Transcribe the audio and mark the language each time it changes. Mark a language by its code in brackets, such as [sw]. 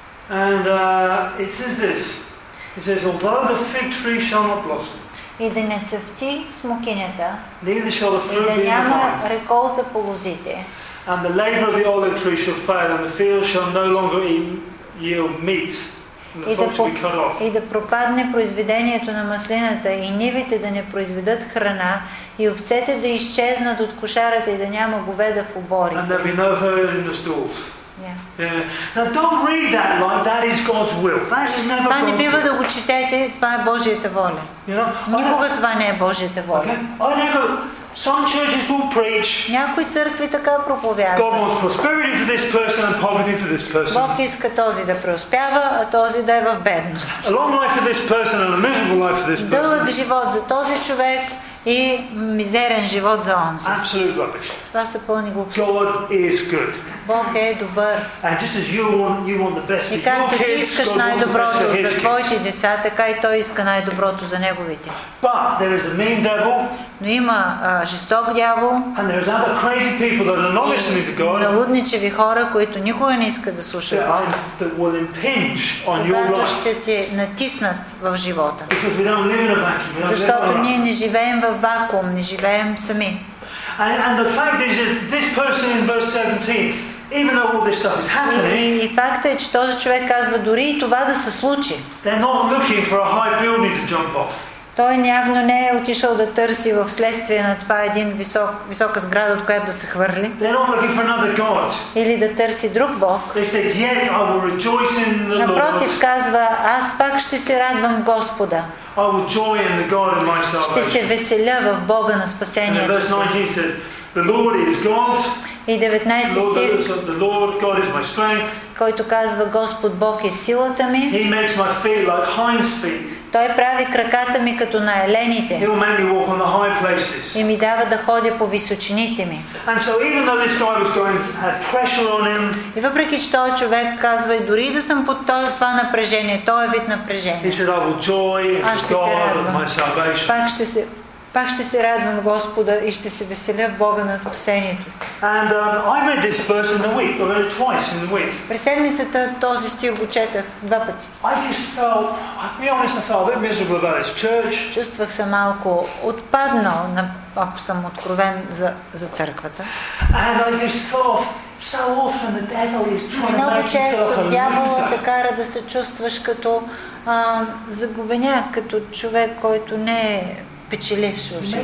[en] And it says this. It says, although the fig tree shall not blossom. [bg] и да не цъфти смокинята, [en] neither shall the fruit [bg] и да няма [en] be [bg] реколта по лозите. [en] And the labor of the olive tree shall fail, and the field shall no longer yield meat, and the fruit shall be cut off. [bg] И да пропадне произведението на маслината, и нивите да не произведат храна, и овцете да изчезнат от кошарата, и да няма говеда в оборите. [en] And there'll be no herd in the stalls. Yeah. Now don't read that like that is God's will. That is never. [bg] Това не бива да го четете, това е Божията воля. Никога това не е Божията воля. [en] Some churches will preach. [bg] Някои църкви така проповядват. [en] God wants prosperity for this person and poverty for this person. [bg] Бог иска този да преуспява, а този да е в бедност. [en] A long life for this person and a miserable life for this person. [bg] Дълъг живот за този човек и мизерен живот за онзи. [en] Absolute rubbish. [bg] Това са пълни глупости. [en] God is good. [bg] Бог е добър. [en] And just as you want the best for your kids, God wants the best for his kids. [bg] И както ти искаш най-доброто за твоите деца, така и той иска най-доброто за неговите. [en] But there is a mean devil. [bg] Но има жесток дявол. [en] And there's other crazy people that are not listening to God. [bg] Налудничеви хора, които никога не искат да слушат. [en] That will impinge on your life. [bg] Когато ще те натиснат в живота. [en] Because we don't live in a vacuum. [bg] Защото ние не живеем в вакуум, не живеем сами. [en] And the fact is that this person in verse 17, even though all this stuff is happening, [bg] и факта е, че този човек казва дори и това да се случи. [en] They're not looking for a high building to jump off. [bg] Той явно не е отишъл да търси в следствие на това един висока сграда, от която да се хвърли. [en] They're not looking for another God. [bg] Или да търси друг Бог. [en] They said, yet I will rejoice in the Lord. [bg] Напротив, казва, аз пак ще се радвам Господа. [en] I will joy in the God of my salvation. [bg] Ще се веселя в Бога на спасението. [en] Verse 19 said, the Lord is God. [bg] И 19 стих, [en] the Lord God is my strength. [bg] Който казва, Господ Бог е силата ми. [en] He makes my feet like hinds' feet. [bg] Той прави краката ми като на елените. [en] He'll make me walk on the high places. [bg] И ми дава да ходя по височините ми. [en] And so even though this guy was going to have pressure on him. [bg] И въпреки че този човек казва, дори да съм под това напрежение, той е вид напрежение. [en] He said, I will joy in the God of my salvation. [bg] Пак ще се радвам Господа и ще се веселя в Бога на спасението. [en] And I read this verse in the week, I read it twice in the week. [bg] През седмицата този стих го четах два пъти. [en] I just felt, I'll be honest, I felt a bit miserable about this church. [bg] Чувствах се малко отпаднал, ако съм откровен за църквата. [en] And I just saw so often the devil is trying to make you feel like a loser. [bg] Дяволът те кара да се чувстваш като загубеняк, като човек, който не е печеливш в